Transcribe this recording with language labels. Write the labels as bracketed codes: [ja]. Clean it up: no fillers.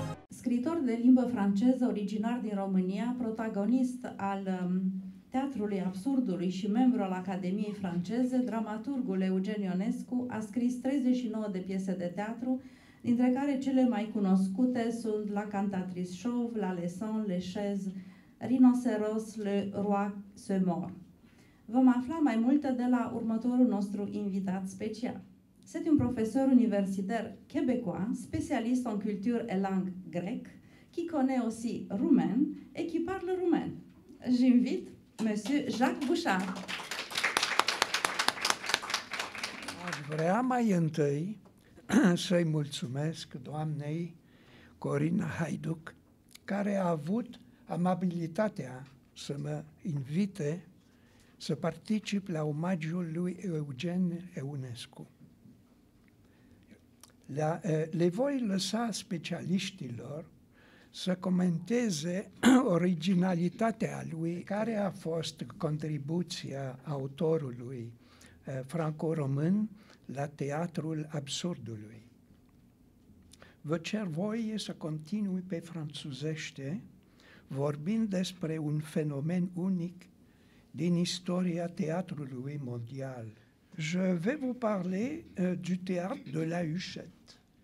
[ro] Scriitor de limbă franceză originar din România, protagonist al Teatrului Absurdului și membru al Academiei Franceze, dramaturgul Eugen Ionescu a scris 39 de piese de teatru, dintre care cele mai cunoscute sunt La Cantatrice Chauve, La Leçon, Les Chaises, Rhinoceros, Le Roi se mort. Vom afla mai multe de la următorul nostru invitat special. [fr] C'est un professeur universitaire québécois, spécialiste en culture et langue grecque, qui connaît aussi roumain et qui parle roumain. J'invite Monsieur Jacques Bouchard. [ro] Aș vrea mai întâi să-i mulțumesc doamnei Corina Haiduc, care a avut amabilitatea să mă invite să particip la omagiul lui Eugen Ionescu. Le voi lăsa specialiștilor să comenteze originalitatea lui, care a fost contribuția autorului franco-român la Teatrul Absurdului. Vă cer voie să continui pe franțuzește, vorbind despre un fenomen unic din istoria teatrului mondial. [fr] Je vais vous parler du théâtre de la Huchette.